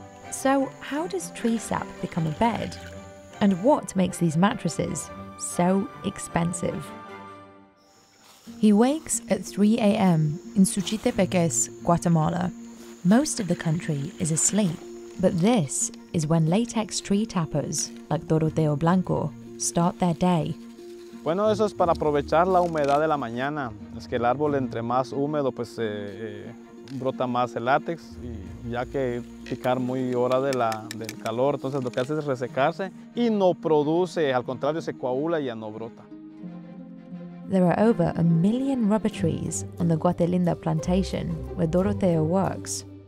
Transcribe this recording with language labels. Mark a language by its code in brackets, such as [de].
[en] So how does tree sap become a bed? And what makes these mattresses so expensive? He wakes at 3 a.m. in Suchitepeque's, Guatemala. Most of the country is asleep, but this is when latex tree tappers, like Doroteo Blanco, start their day. [es] Bueno, eso es para aprovechar la humedad de la mañana. Es que el árbol, entre más húmedo, pues brota más el látex, y ya que picar muy hora de la, del calor, entonces lo que hace es resecarse y no produce, al contrario, se coagula y ya no brota. [en] There are over a million rubber trees on the Guatelinda plantation where Doroteo works.